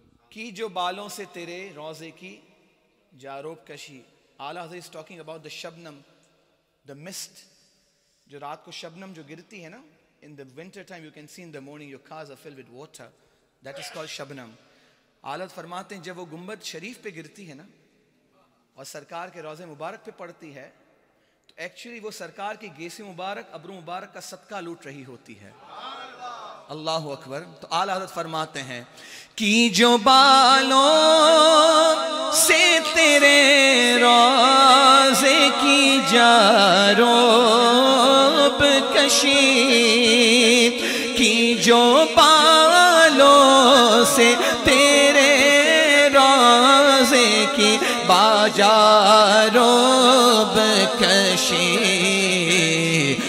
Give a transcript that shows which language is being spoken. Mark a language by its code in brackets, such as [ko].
[ur] کی جو بالوں سے تیرے روزے کی جاروب کشی. [en] Ala Hazrat is talking about the shabnam, the mist, [ur] جو رات کو شبنم جو گرتی ہے نا, [en] in the winter time you can see in the morning your cars are filled with water, that is called shabnam. [ur] اعلیٰ حضرت فرماتے ہیں جب وہ گنبد شریف پہ گرتی ہے نا اور سرکار کے روضہ مبارک پہ پڑتی ہے تو ایکچولی وہ سرکار کی گیسی مبارک ابرو مبارک کا صدقہ لوٹ رہی ہوتی ہے. اللہ اکبر. تو اعلیٰ حضرت فرماتے ہیں کی جو بالوں سے تیرے روزے کی جاروب کشی, کی جو بالوں سے تیرے روزے کی باجاروب کشی,